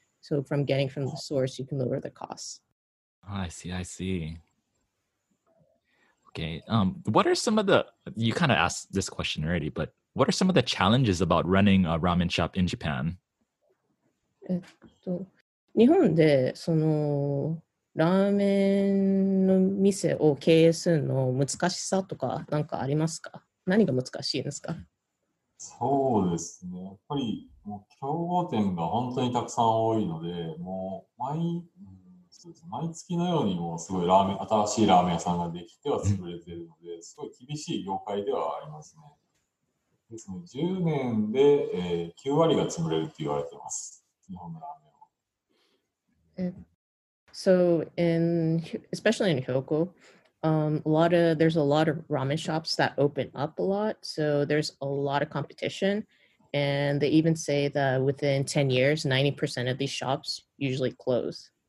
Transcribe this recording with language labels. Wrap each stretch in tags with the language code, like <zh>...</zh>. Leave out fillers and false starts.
<en>So from getting from the source, you can lower the costs. I see. Okay. What are some of the, you kind of asked this question already, but what are some of the challenges about running a ramen shop in Japan?</en> <ja>日本でそのラーメンの店を経営するの難しさとかなんかありますか？何が難しいんですか？そうですね。やっぱりもう競合店が本当にたくさん多いので、もう毎月のようにもうすごいラーメン、新しいラーメン屋さんができては潰れているので、すごい厳しい業界ではありますね。ですね、10年で、9割が潰れると言われています。日本のラーメンは。</ja> <en>So, in, especially in Hyogo, there's a lot of ramen shops that open up a lot, so there's a lot of competition, and they even say that within 10 years, 90% of these shops usually close.</en>